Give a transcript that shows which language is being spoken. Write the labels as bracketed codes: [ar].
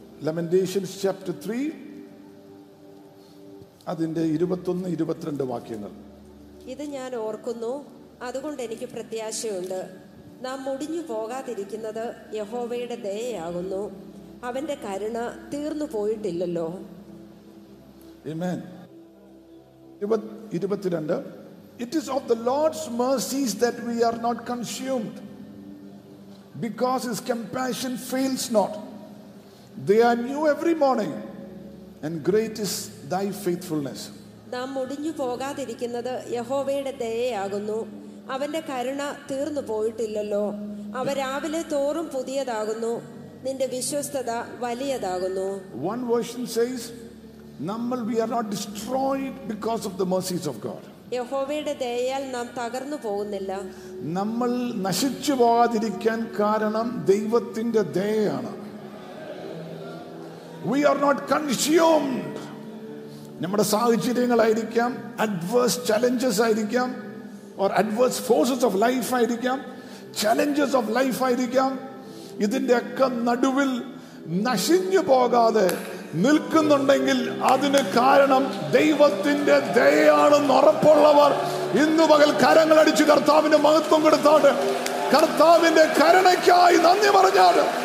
[en] Lamentations chapter 3, [ml] അതിന്റെ 21-22 വാക്യങ്ങൾ. ഇത് ഞാൻ ഓർക്കുന്നു, അതുകൊണ്ട് എനിക്ക് പ്രത്യാശയുണ്ട്. നാം മുടിഞ്ഞു പോകാതിരിക്കുന്നത് യഹോവയുടെ ദയയാകുന്നു, അവന്റെ കരുണ തീർന്നു പോയിട്ടില്ലല്ലോ. ആമേൻ. [en] 22, It is of the Lord's mercies that we are not consumed, because his compassion fails not. They are new every morning, and great is thy faithfulness. [ml] നാം മുടിഞ്ഞു പോകാതിരിക്കുന്നത് യഹോവയുടെ ദയയാകുന്നു, അവന്റെ കരുണ തീർന്നു പോയിട്ടില്ലല്ലോ. അവ രാവിലെ തോറും പുതിയതാകുന്നു, നിന്റെ വിശ്വസ്തത വലിയതാകുന്നു. [en] One version says, we are not destroyed because of the mercies of God. [ml] യഹോവയുടെ ദയയാൽ നാം തകർന്നു പോകുന്നില്ല. നമ്മൾ നശിച്ചു പോകാതിരിക്കാൻ കാരണം ദൈവത്തിന്റെ ദയയാണ്. [en] We are not consumed. [ml] നമ്മുടെ സാഹചര്യങ്ങളായിരിക്കാം, അഡ്വേഴ്സ് ചലഞ്ചസ് ആയിരിക്കാം, [en] or adverse forces of life [ml] ആയിരിക്കാം, [en] challenges of life [ml] ആയിരിക്കാം, ഇതിന്റെയൊക്കെ നടുവിൽ നശിഞ്ഞു പോകാതെ നിൽക്കുന്നുണ്ടെങ്കിൽ അതിന് കാരണം ദൈവത്തിന്റെ ദയയാണെന്ന് ഉറപ്പുള്ളവർ ഇന്നു പകൽ കരങ്ങൾ അടിച്ച് കർത്താവിന്റെ മഹത്വം കൊടുത്താട്ട്, കർത്താവിന്റെ കരുണയ്ക്കായി നന്ദി പറഞ്ഞാട്.